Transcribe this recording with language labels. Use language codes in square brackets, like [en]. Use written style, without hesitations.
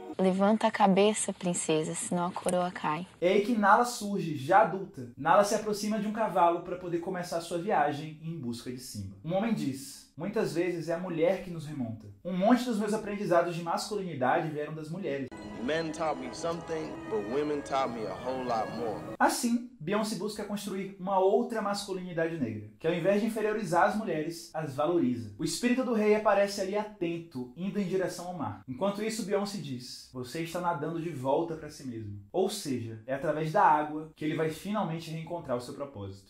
[pt] Levanta a cabeça, princesa, senão a coroa cai. É aí que Nala surge, já adulta. Nala se aproxima de um cavalo para poder começar sua viagem em busca de Simba. Um homem diz: "Muitas vezes é a mulher que nos remonta. Um monte dos meus aprendizados de masculinidade vieram das mulheres. [en] Men taught me something, but women taught me a whole lot more." [pt] Assim, Beyoncé busca construir uma outra masculinidade negra, que ao invés de inferiorizar as mulheres, as valoriza. O espírito do rei aparece ali atento, indo em direção ao mar. Enquanto isso, Beyoncé diz: "Você está nadando de volta para si mesmo." Ou seja, é através da água que ele vai finalmente reencontrar o seu propósito.